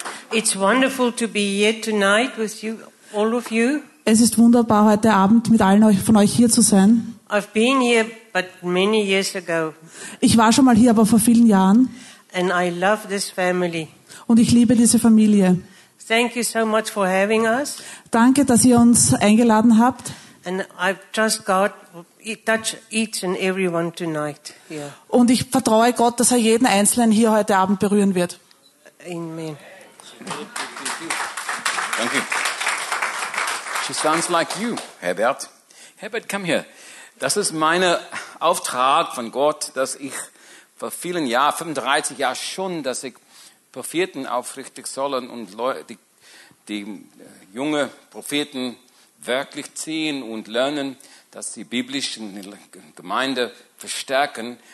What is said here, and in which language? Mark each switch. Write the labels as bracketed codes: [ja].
[en] It's wonderful to be here tonight with you, all of you. [de] Es ist wunderbar, heute Abend mit allen von euch hier zu sein. [en] I've been here, but many years ago. [de] Ich war schon mal hier, aber vor vielen Jahren. [en] And I love this family. [de] Und ich liebe diese Familie. [en] Thank you so much for having us. [de] Danke, dass ihr uns eingeladen habt. [en] And I trust God touch each and everyone tonight here. [de] Und ich vertraue Gott, dass er jeden Einzelnen hier heute Abend berühren wird. Amen. [en] Thank you. She sounds like you, Herbert. Herbert, come here. [de] Das ist mein Auftrag von Gott, dass ich vor vielen Jahren, 35 Jahren schon, dass ich Propheten aufrichtig sollen und die junge Propheten wirklich ziehen und lernen, dass sie biblische Gemeinde verstärken.